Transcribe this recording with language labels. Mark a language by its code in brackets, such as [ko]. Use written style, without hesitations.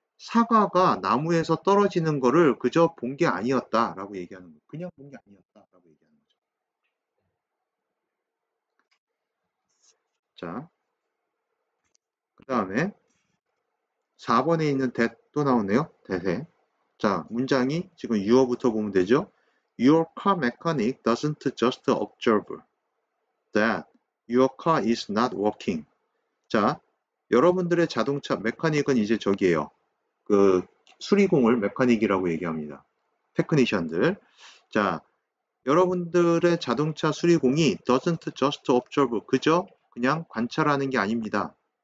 [ko] 사과가 나무에서 떨어지는 거를 그저 본게 아니었다라고 얘기하는 거예요. 그냥 본게 아니었다라고 얘기하는 거죠. 자, 그다음에 4번에 있는 that 또 나오네요. that에. 자, 문장이 지금 유어부터 보면 되죠. [en] Your car mechanic doesn't just observe that your car is not working. [ko] 자, 여러분들의 자동차 메카닉은 이제 저기예요. 그 수리공을 메카닉이라고 얘기합니다. 테크니션들. 자, 여러분들의 자동차 수리공이 [en] doesn't just observe. [ko] 그저 그냥 관찰하는 게 아닙니다.